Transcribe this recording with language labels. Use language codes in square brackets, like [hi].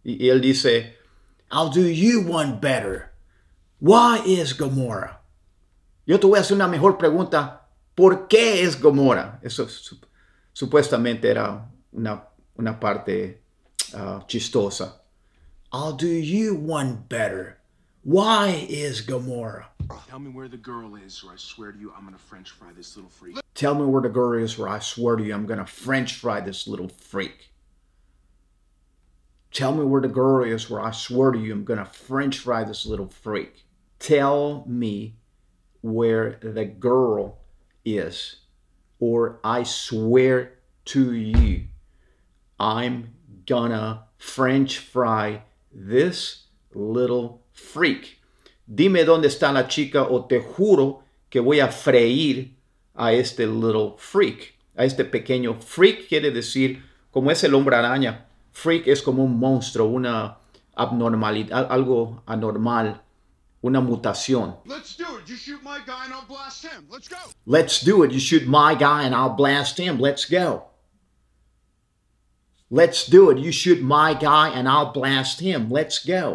[es] Y él dice, [en] I'll do you one better. Why is Gamora? [es] Yo te voy a hacer una mejor pregunta. ¿Por qué es Gamora? Eso supuestamente era una parte chistosa. [en] I'll do you one better. Why is Gamora? Tell me where the girl is, or I swear to you, I'm gonna French fry this little freak. Tell me where the girl is, or I swear to you, I'm gonna French fry this little freak. Tell me where the girl is, or I swear to you, I'm gonna French fry this little freak. Tell me where the girl is, or I swear to you, I'm gonna French fry this little freak. [es] Dime dónde está la chica o te juro que voy a freír a este [en] little freak. [es] A este pequeño freak quiere decir, como es el hombre araña. Freak es como un monstruo, una, abnormalidad, algo anormal, una mutación. [en] Let's do it. You shoot my guy and I'll blast him. Let's go. Let's do it. You shoot my guy and I'll blast him. Let's go. Let's do it. You shoot my guy and I'll blast him. Let's go.